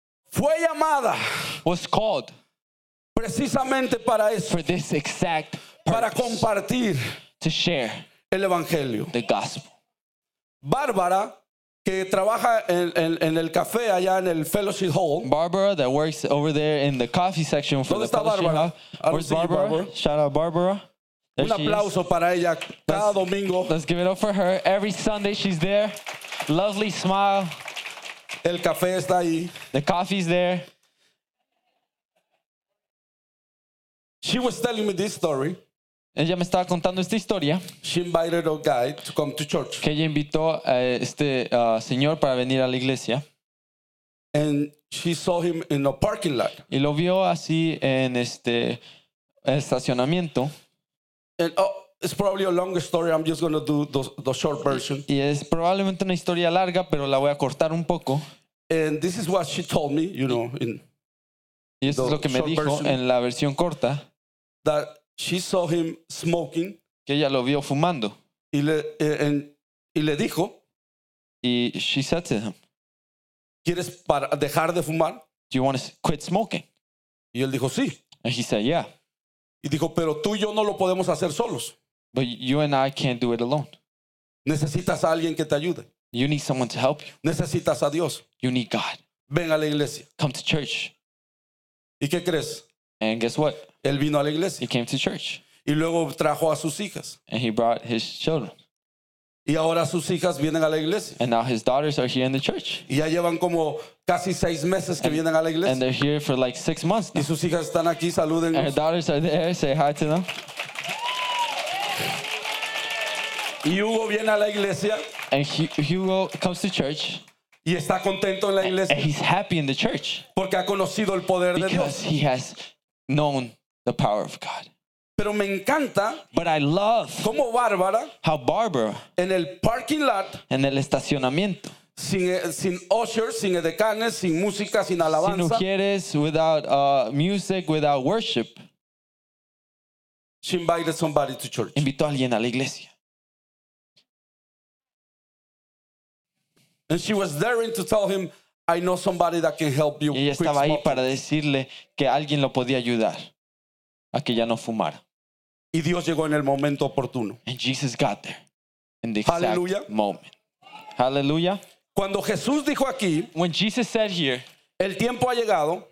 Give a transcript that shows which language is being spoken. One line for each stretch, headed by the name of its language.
Spanish: fue llamada.
English: Was called.
Spanish: Precisamente para eso.
English: For this exact purpose.
Spanish: Para compartir.
English: To share.
Spanish: El evangelio.
English: The gospel.
Spanish: Bárbara, que trabaja en el café allá en el Fellowship Hall.
English: Barbara, that works over there in the coffee section for
Spanish: ¿dónde
English: the
Spanish: está Barbara?
English: Where's Barbara? Barbara? Shout out Barbara. There
Spanish: un aplauso
English: is
Spanish: para ella cada domingo.
English: Let's give it up for her. Every Sunday she's there. Lovely smile.
Spanish: El café está ahí.
English: The coffee's there. She was telling me this story.
Spanish: Ella me estaba contando esta historia.
English: She invited a guy to come to church.
Spanish: Que ella invitó a este señor para venir a la iglesia.
English: And she saw him in a parking lot.
Spanish: Y lo vio así en este estacionamiento.
English: And, it's probably a long story. I'm just going to do the short version.
Spanish: Y es probablemente una historia larga, pero la voy a cortar un poco.
English: And this is what she told me, you know, in
Spanish: y esto
English: the
Spanish: es lo que me dijo
English: version,
Spanish: en la versión corta.
English: That she saw him smoking.
Spanish: Que ella lo vio fumando. Y le, en, y le dijo.
English: Y she said to him.
Spanish: ¿Quieres para dejar de fumar?
English: Do you want to quit smoking?
Spanish: Y él dijo sí.
English: And he said yeah.
Spanish: Y dijo, pero tú y yo no lo podemos hacer solos.
English: But you and I can't do it alone.
Spanish: Necesitas a alguien que te ayude.
English: You need someone to help you.
Spanish: Necesitas a Dios.
English: You need God.
Spanish: Ven a la iglesia.
English: Come to church.
Spanish: ¿Y qué crees?
English: And guess what?
Spanish: Él vino a la iglesia.
English: He came to church.
Spanish: Y luego trajo a sus hijas.
English: And he brought his children.
Spanish: Y ahora sus hijas vienen a la iglesia.
English: And now his daughters are here in the church.
Spanish: Y ya llevan como casi seis meses que vienen a la iglesia.
English: And they're here for like 6 months now.
Spanish: Y sus hijas están aquí, saluden.
English: And her daughters are there, say hi to them.
Spanish: Y Hugo viene a la iglesia.
English: And Hugo comes to church.
Spanish: Y está contento en la iglesia.
English: And he's happy in the church.
Spanish: Porque ha conocido el poder de Dios.
English: He has known the power of God.
Spanish: Pero me encanta,
English: but I love
Spanish: como Barbara,
English: how Barbara
Spanish: en el parking lot, en el estacionamiento, sin ushers, sin edecanes, sin música, sin alabanza, sin ujieres,
English: without music, without worship, she invited somebody to church.
Spanish: Invitó a alguien a la iglesia.
English: And she was daring to tell him, I know somebody that can help you.
Spanish: Y ella estaba ahí para decirle que alguien lo podía ayudar a que ya no fumara. Y Dios llegó en el momento oportuno.
English: And Jesus got there in the Hallelujah. Exact moment.
Spanish: Hallelujah. Cuando Jesús dijo aquí,
English: when Jesus said here,
Spanish: el tiempo ha llegado,